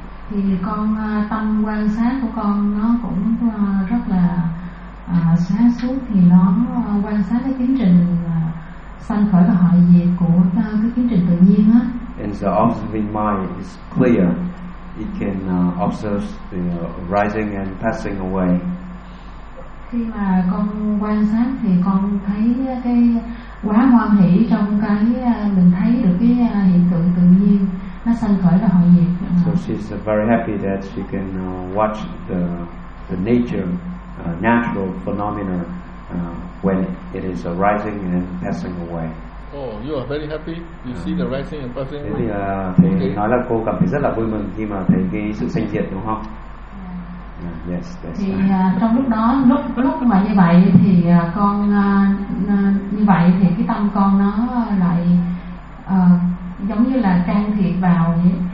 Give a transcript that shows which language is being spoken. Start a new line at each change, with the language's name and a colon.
Vietnamese: Thì con tâm quan sát của con nó cũng rất là sáng suốt, thì nó quan sát cái tiến trình sanh khởi và hồi diệt của cái tiến trình tự nhiên á.
English: And the observing mind is clear. It can observe the rising and passing away.
Vietnamese: Khi mà con quan sát thì con thấy cái quá hoan hỷ trong cái mình thấy được cái hiện tượng tự nhiên nó sanh khởi và hồi diệt.
English: So she's very happy that she can watch the nature, natural phenomena when it is arising and passing away. Oh, you are very happy. You see the rising and passing away.
Vietnamese: Thì thầy nói là cô cảm thấy rất là vui mừng khi mà thấy cái sự sanh diệt đúng không?
English: Yes, that's
Vietnamese: thì trong lúc đó lúc mà như vậy thì con như vậy thì cái tâm con nó lại giống như là can thiệp vào vậy.